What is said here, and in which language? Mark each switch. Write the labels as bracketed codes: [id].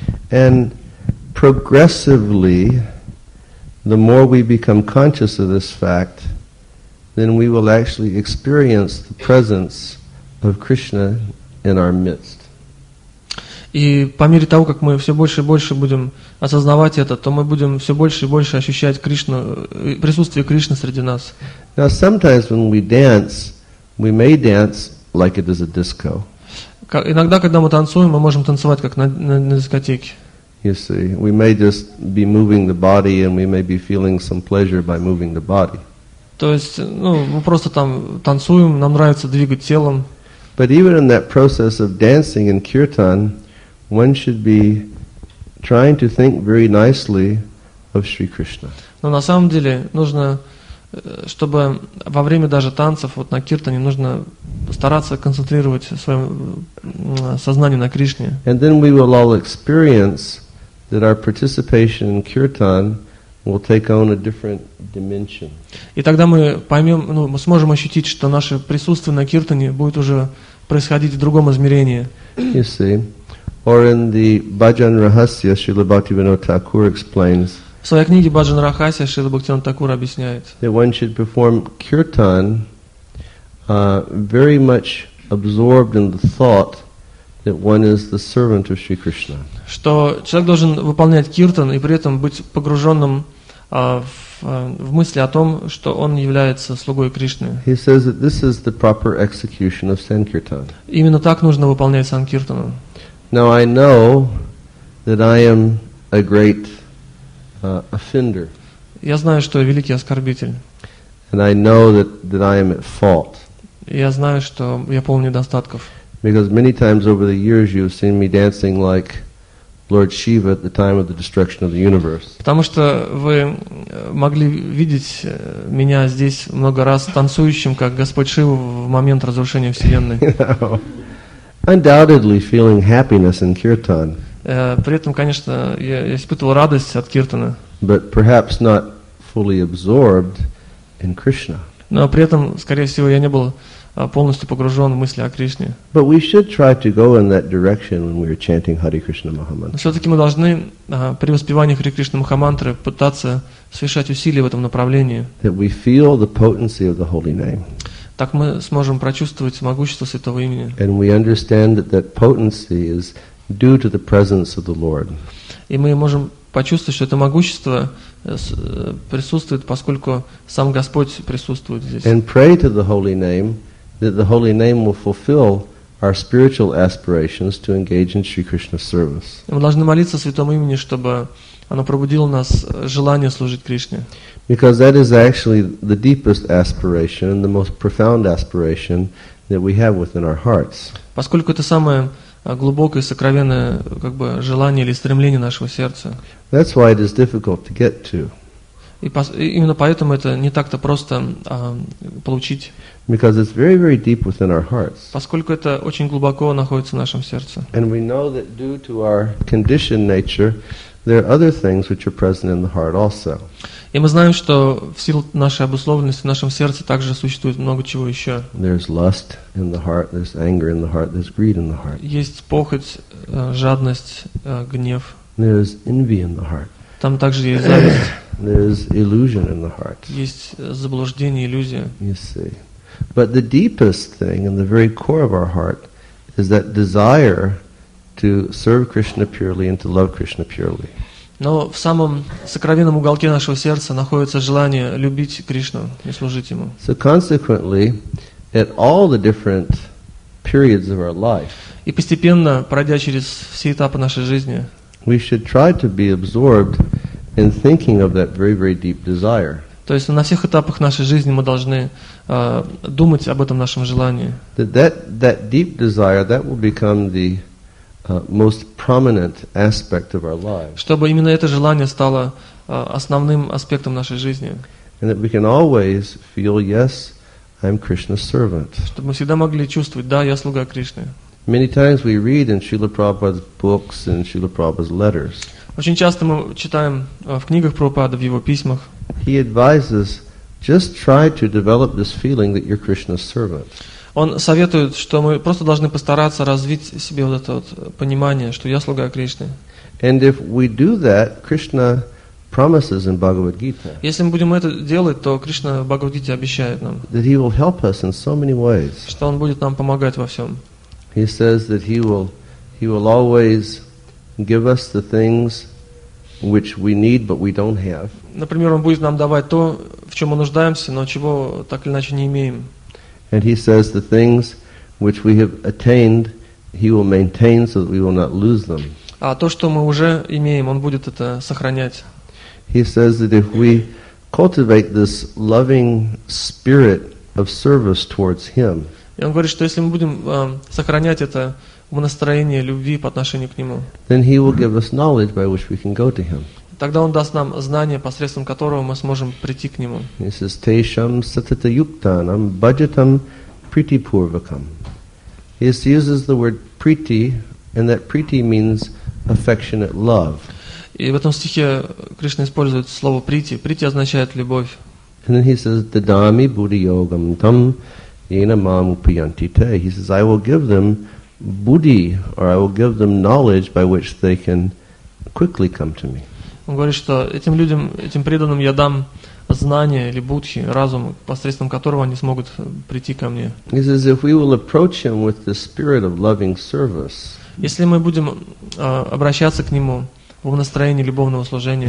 [en] And progressively, the more we become conscious of this fact, then we will actually experience the presence of Krishna in our midst. [ru] И по мере того, как мы все больше и больше будем осознавать это, то мы будем все больше и больше ощущать Кришну, присутствие Кришны среди нас. [en] Now sometimes when we dance, we may dance like it is a disco. [ru] Иногда, когда мы танцуем, мы можем танцевать как на дискотеке. [en] You see, we may just be moving the body, and we may be feeling some pleasure by moving the body. [ru] То есть, ну, мы просто там танцуем, нам нравится двигать телом. [en] But even in that process of dancing in kirtan, one should be trying to think very nicely of Sri Krishna. [ru] Но на самом деле нужно, чтобы во время даже танцев вот на киртане нужно стараться концентрировать свое сознание на Кришне. [en] And then we will all experience that our participation in kirtan will take on a different dimension. [ru] И тогда мы поймем, ну, мы сможем ощутить, что наше присутствие на киртане будет уже происходить в другом измерении. [en] You see. Or in the Bhajan Rahasya, Srila Bhaktivinoda Thakur explains. [ru] В своей книге Bhajan Rahasya Srila Bhaktivinoda Thakur объясняет. [en] That one should perform kirtan very much absorbed in the thought that one is the servant of Sri Krishna. [ru] Что человек должен выполнять киртан и при этом быть погруженным в мысли о том, что он является слугой Кришны. [en] He says that this is the proper execution of sankirtan. [ru] Именно так нужно выполнять санкиртану. [en] Now I know that I am a great offender. [ru] Я знаю, что я великий оскорбитель. [en] And I know that I am at fault. [ru] Я знаю, что я полный недостатков. [en] Because many times over the years you have seen me dancing like Lord Shiva at the time of the destruction of the universe. [ru] Потому что вы могли видеть меня здесь много раз танцующим как Господь Шива в момент разрушения вселенной. [en] Undoubtedly feeling happiness in kirtan. [ru] При этом, конечно, я испытывал радость от киртана. [en] But perhaps not fully absorbed in Krishna. [ru] Но при этом, скорее всего, я не был полностью погружен в мысли о Кришне. [en] But we should try to go in that direction when we are chanting Hare Krishna Mahamantra. [ru] Все-таки мы должны при воспевании Хари Кришна Махамантры пытаться совершать усилия в этом направлении. [en] That we feel the potency of the holy name. [ru] Так мы сможем прочувствовать могущество Святого Имени. [en] And we understand that potency is due to the presence of the Lord. [ru] И мы можем почувствовать, что это могущество присутствует, поскольку сам Господь присутствует здесь. [en] And pray to the Holy Name, that the Holy Name will fulfill our spiritual aspirations to engage in Sri Krishna service. [ru] Мы должны молиться Святому Имени, чтобы оно пробудило в нас желание служить Кришне. [en] Because that is actually the deepest aspiration and the most profound aspiration that we have within our hearts. [ru] Поскольку это самое глубокое, сокровенное, как бы, желание или стремление нашего сердца. [en] That's why it is difficult to get to. [ru] И именно поэтому это не так-то просто получить. [en] Because it's very, very deep within our hearts. [ru] Поскольку это очень глубоко находится в нашем сердце. [en] And we know that due to our conditioned nature, there are other things which are present in the heart also. [ru] И мы знаем, что в силу нашей обусловленности в нашем сердце также существует много чего еще. [en] There's lust in the heart, there's anger in the heart, there's greed in the heart. [ru] Есть похоть, жадность, гнев. [en] There's envy in the heart. [ru] Там также есть зависть. [en] There's illusion in the heart. [ru] Есть заблуждение, иллюзия. [en] You see. But the deepest thing in the very core of our heart is that desire to serve Krishna purely and to love Krishna purely. [ru] Но в самом сокровенном уголке нашего сердца находится желание любить Кришну и служить Ему. [en] So consequently, at all the different periods of our life, [ru] и постепенно, пройдя через все этапы нашей жизни, [en] we should try to be absorbed in thinking of that very, very deep desire. [ru] То есть на всех этапах нашей жизни мы должны думать об этом нашем желании. [en] That deep desire, that will become the most prominent aspect of our lives. [ru] Чтобы именно это желание стало основным аспектом нашей жизни. [en] And that we can always feel, yes, I'm Krishna's servant. [ru] Чтобы мы всегда могли чувствовать, да, я слуга Кришны. [en] Many times we read in Srila Prabhupada's books and Srila Prabhupada's letters. [ru] Очень часто мы читаем в книгах Прабхупады, в его письмах. [en] He advises, just try to develop this feeling that you're Krishna's servant. [ru] Он советует, что мы просто должны постараться развить в себе вот это вот понимание, что я слуга Кришны. [en] And if we do that, Krishna promises in Bhagavad Gita. [ru] Если мы будем это делать, то Кришна в Бхагавад Гите обещает нам, [en] that he will help us in so many ways. [ru] Что он будет нам помогать во всем. [en] He says that he will always give us the things which we need but we don't have. [ru] Например, он будет нам давать то, в чём мы нуждаемся, но чего так или иначе не имеем. [en] And he says the things which we have attained, he will maintain so that we will not lose them. [ru] А то, что мы уже имеем, он будет это сохранять. [en] He says that if we cultivate this loving spirit of service towards him. [ru] И он говорит, что если мы будем сохранять это настроение любви по отношению к нему, [en] then he will give us knowledge by which we can go to him. [ru] Тогда он даст нам знание, посредством которого мы сможем прийти к нему. [en] He says, [sa] Tesham satata yuktanam bhajatam priti purvakam. [en] He uses the word priti, and that priti means affectionate love. [ru] И в этом стихе Кришна использует слово priti. Priti означает любовь. [en] And then he says, [sa] Dadami buddhi yogam tam yena mam upayanti te. [en] He says, I will give them buddhi, or I will give them knowledge by which they can quickly come to me. [ru] Он говорит, что этим людям, этим преданным я дам знание или будхи, разум, посредством которого они смогут прийти ко мне. [en] He says, if we will approach him with the spirit of loving service, [ru] если мы будем обращаться к нему в настроении любовного служения,